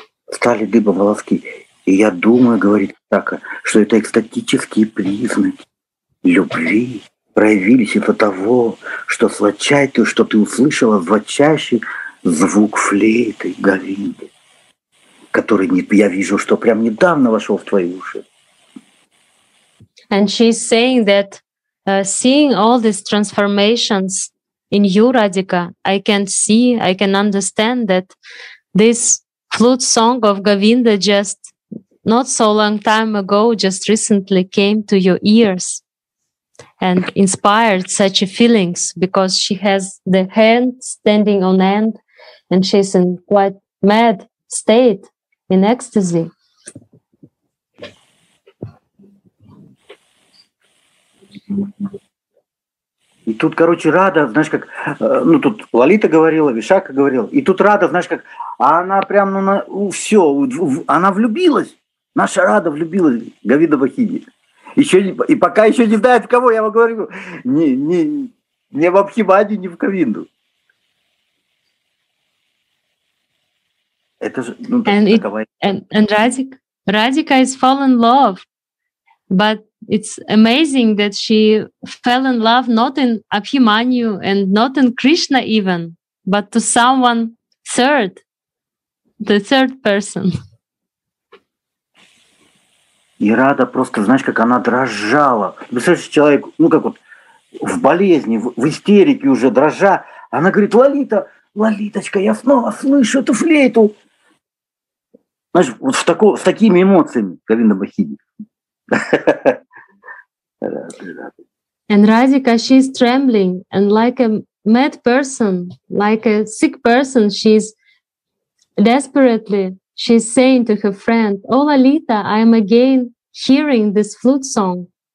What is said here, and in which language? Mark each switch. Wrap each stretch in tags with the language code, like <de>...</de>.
<ru>Стали дыбом волоски. И я думаю, говорит Вишака, что это экстатические признаки любви проявились из-за того, что ты услышала звучащий звук флейты Говинды, который я вижу, что прям недавно вошел в твои уши.</ru> <en>And she's saying that seeing all these transformations in you, Radhika, I can see, I can understand that this flute song of Govinda just not so long time ago, just recently came to your ears and inspired such feelings, because she has the hand standing on end and she's in quite mad state, in ecstasy.</en> <ru>И тут, короче, Рада, знаешь, как, ну, тут Лолита говорила, Вишакха говорила, и тут Рада, знаешь, как, а она прям, ну, все, она влюбилась, наша Рада влюбилась в Говинда Бахини. И пока еще не знает, в кого, я вам говорю, не в Абхимади, не в Говинду. Это же, ну,</ru> <en>Радика is fall in love, but it's amazing that she fell in love not in Abhimanyu and not in Krishna even, but to someone third, the third person.</en> <ru>И Рада просто, знаешь, как она дрожала. Представляешь, человек, ну как вот в болезни, в истерике уже дрожа, она говорит: «Лолита, Лолиточка, я снова слышу эту флейту». Знаешь, вот с такими эмоциями Говинда Бахини.</ru> <en>And Radhika, she's trembling and like a mad person, like a sick person, she's desperately, she's saying to her friend, oh, Lalita, I'm again hearing this flute song.</en>